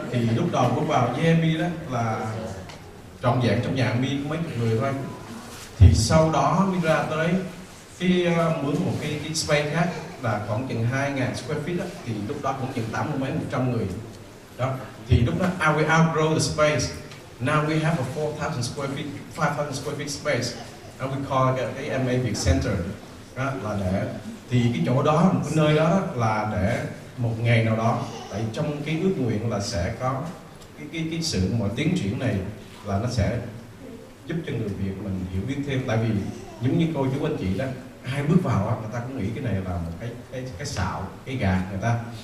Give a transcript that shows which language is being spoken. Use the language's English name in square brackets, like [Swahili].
[Vietnamese] Thì lúc đầu bước vào với MA đó là trọn vẹn trong nhà MA có mấy người thôi. Thì sau đó mới ra tới khi mướn một cái space khác là khoảng chừng 2.000 square feet đó. Thì lúc đó cũng chừng 80-100 người đó. Thì lúc đó [English] we outgrow the space. Now we have a 5,000 square feet space. And we call it the MA Việt Center. [Vietnamese] Đó, là để thì cái chỗ đó, một cái nơi đó là để một ngày nào đó, tại trong cái ước nguyện là sẽ có cái sự mà tiến triển này là nó sẽ giúp cho người Việt mình hiểu biết thêm. Tại vì giống như cô chú anh chị đó, ai bước vào á, người ta cũng nghĩ cái này là một cái xạo, cái gà người ta.